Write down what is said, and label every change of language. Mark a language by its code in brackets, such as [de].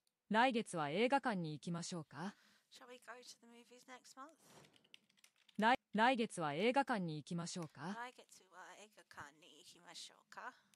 [ja] 来月は映画館に行きましょうか。 [en] Shall we go to the movies next month? [ja] 来月は映画館に行きましょうか。来月は映画館に行きましょうか。